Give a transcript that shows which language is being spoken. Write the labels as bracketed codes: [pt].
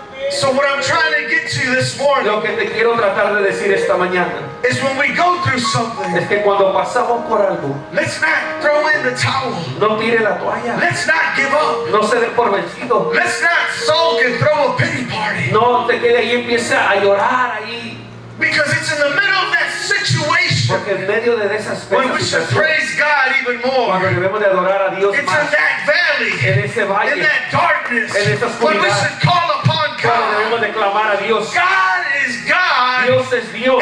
[en] So what I'm trying to get to this morning. [es] Lo que te quiero tratar de decir esta mañana. [en] Is when we go through something. [es] Es que cuando pasamos por algo. [en] Let's not throw in the towel. [es] No tire la toalla. [en] Let's not give up. [es] No se dé por vencido. [en] Let's not sulk and throw a pity party. [es] No te quedes ahí y empieza a llorar ahí. [en] Because it's in the middle of that situation. [es] Porque en medio de esa [en] situación. When we should praise God even more. [es] Cuando debemos de adorar a Dios [en] it's [es] más. [en] It's in that valley. [es] En ese valle. [en] In that darkness. [es] En esa oscuridad. [en] When we should call upon God. God is God. [es] Dios es Dios.